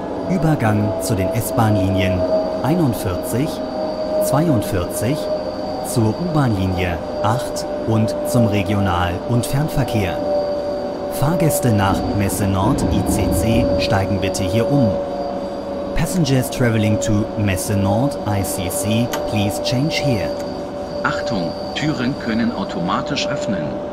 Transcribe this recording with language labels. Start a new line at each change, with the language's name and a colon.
German: Übergang zu den S-Bahn-Linien 41, 42, zur U-Bahn-Linie 8 und zum Regional- und Fernverkehr. Fahrgäste nach Messe Nord ICC steigen bitte hier um.
English: Passengers traveling to Messe Nord ICC, please change here.
German: Achtung, Türen können automatisch öffnen.